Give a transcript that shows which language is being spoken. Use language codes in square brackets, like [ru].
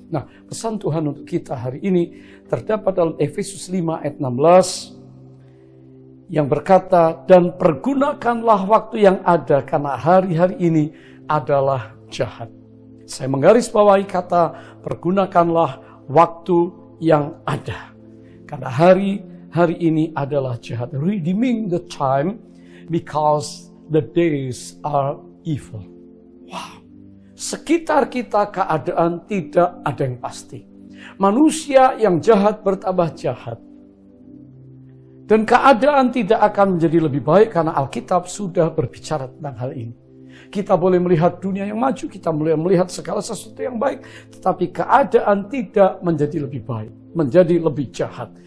[id] Nah, pesan Tuhan untuk kita hari ini terdapat dalam Efesus 5 ayat 16 yang berkata, dan pergunakanlah waktu yang ada karena hari-hari ini adalah jahat. Saya menggarisbawahi kata pergunakanlah waktu yang ada karena hari-hari ini adalah jahat. [en] Redeeming the time because the days are evil. Wow. [id] Sekitar kita keadaan tidak ada yang pasti. Manusia yang jahat bertambah jahat. Dan keadaan tidak akan menjadi lebih baik karena Alkitab sudah berbicara tentang hal ini. Kita boleh melihat dunia yang maju, kita boleh melihat segala sesuatu yang baik, tetapi keadaan tidak menjadi lebih baik, menjadi lebih jahat.